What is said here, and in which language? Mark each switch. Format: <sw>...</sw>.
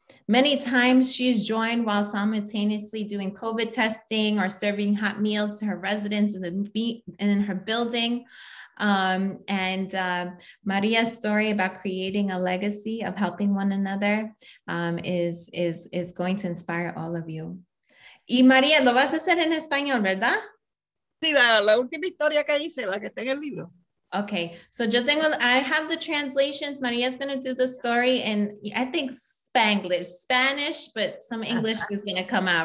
<en>Many times she's joined while simultaneously doing COVID testing or serving hot meals to her residents in her building. Maria's story about creating a legacy of helping one another is going to inspire all of you.</en> <es>Y Maria, lo vas a hacer en español, ¿verdad? Sí, la última historia que hice, la que está en el libro.</es> <en>Okay, so</en> <es>yo tengo,</es> <en>I have the translations. Maria's going to do the story in, I think, Spanish, but some English is going to come out.</en>